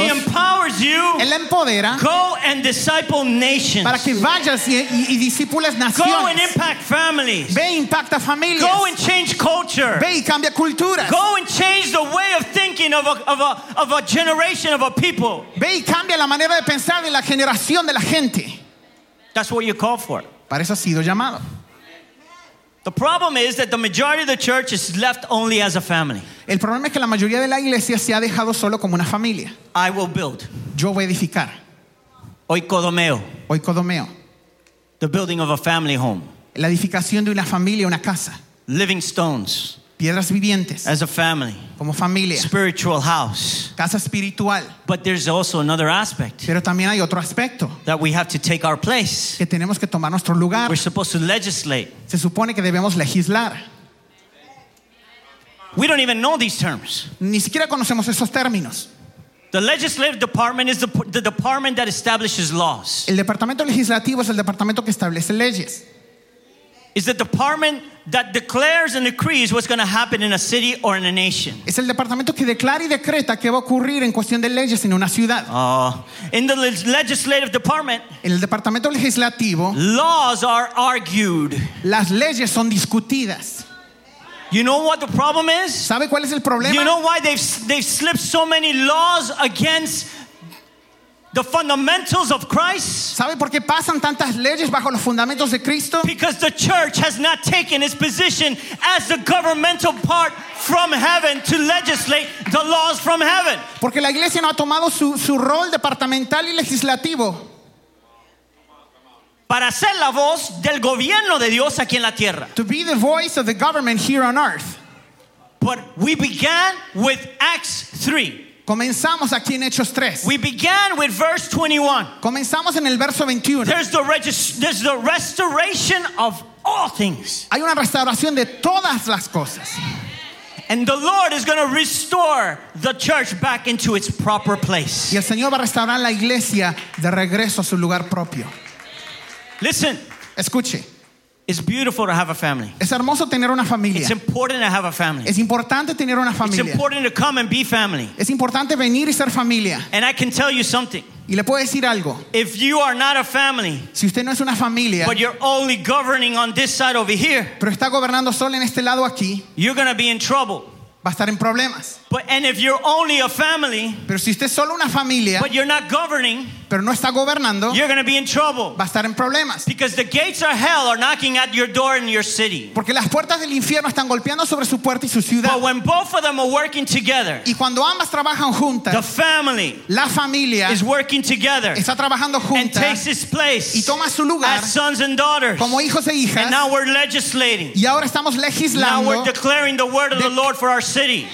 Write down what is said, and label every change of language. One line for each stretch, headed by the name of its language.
English: He empowers you.
Spanish: Él empodera.
English: Go and disciple nations.
Spanish: Para que vayas y discípulos naciones.
English: Go and impact families.
Spanish: Ve y impacta familias.
English: Go and change culture.
Spanish: Ve y cambia culturas.
English: Go and change the way of thinking of a generation of a people.
Spanish: Ve y cambia la manera de pensar de la generación de la gente.
English: That's what you call for.
Spanish: Para eso ha sido llamado.
English: The problem is that the majority of the church is left only as a family.
Spanish: El problema es que la mayoría de la iglesia se ha dejado solo como una familia.
English: I will build.
Spanish: Yo voy a edificar.
Greek: Oikodomeo. Oikodomeo.
English: The building of a family home.
Spanish: La edificación de una familia, una casa.
English: Living stones.
Spanish: Piedras vivientes.
English: As a family.
Spanish: Como familia.
English: Spiritual house.
Spanish: Casa espiritual.
English: But there's also another aspect.
Spanish: Pero también hay otro aspecto.
English: That we have to take our place.
Spanish: Que tenemos que tomar nuestro lugar.
English: We're supposed to legislate.
Spanish: Se supone que debemos legislar.
English: We don't even know these terms.
Spanish: Ni siquiera conocemos esos términos.
English: The legislative department is the department that establishes laws.
Spanish: El departamento legislativo es el departamento que establece leyes.
English: Is the department that declares and decrees what's going to happen in a city or in a nation.
Spanish: Es el departamento que declara y decreta qué va a ocurrir en cuestión de leyes en una ciudad.
English: In the legislative department,
Spanish: en el departamento legislativo,
English: laws are argued.
Spanish: Las leyes son discutidas.
English: You know what the problem is?
Spanish: ¿Sabe cuál es el problema?
English: You know why they've slipped so many laws against the fundamentals of Christ?
Spanish: ¿Sabe por qué pasan tantas leyes bajo los fundamentos de Cristo?
English: Because the church has not taken its position as the governmental part from heaven to legislate the laws from heaven.
Spanish: Porque la iglesia no ha tomado su rol departamental y legislativo para ser la voz del gobierno de Dios aquí en la tierra.
English: To be the voice of the government here on earth. But we began with Acts 3.
Spanish: Comenzamos aquí en Hechos 3.
English: We began with verse 21.
Spanish: Comenzamos en el verso 21.
English: There's the restoration of all things.
Spanish: Hay una restauración de todas las cosas.
English: And the Lord is going to restore the church back into its proper place.
Spanish: Y el Señor va a restaurar la iglesia de regreso a su lugar propio.
English: Listen.
Spanish: Escuche.
English: It's beautiful to have a family.
Spanish: Es hermoso tener una familia.
English: It's important to have a family.
Spanish: Es importante tener una familia.
English: It's important to come and be family.
Spanish: Es importante venir y ser familia.
English: And I can tell you something.
Spanish: Y le puedo decir algo.
English: If you are not a family,
Spanish: si usted no es una familia,
English: but you're only governing on this side over here,
Spanish: pero está gobernando solo en este lado aquí,
English: you're going to be in trouble.
Spanish: Va a estar en problemas.
English: But, and if you're only a family,
Spanish: pero si usted es solo una familia,
English: but you're not governing,
Spanish: pero no está gobernando,
English: you're going to be in trouble.
Spanish: Va a estar en problemas.
English: Because the gates of hell are knocking at your door in your city.
Spanish: Porque las puertas del infierno están golpeando sobre su puerta y su ciudad.
English: But when both of them are working together,
Spanish: y cuando ambas trabajan juntas,
English: the family,
Spanish: la familia,
English: is working together,
Spanish: está trabajando juntas,
English: and takes its place,
Spanish: y toma su lugar,
English: as sons and daughters,
Spanish: como hijos e hijas,
English: and now we're legislating,
Spanish: y ahora estamos legislando,
English: now we're declaring the word of the Lord for our city,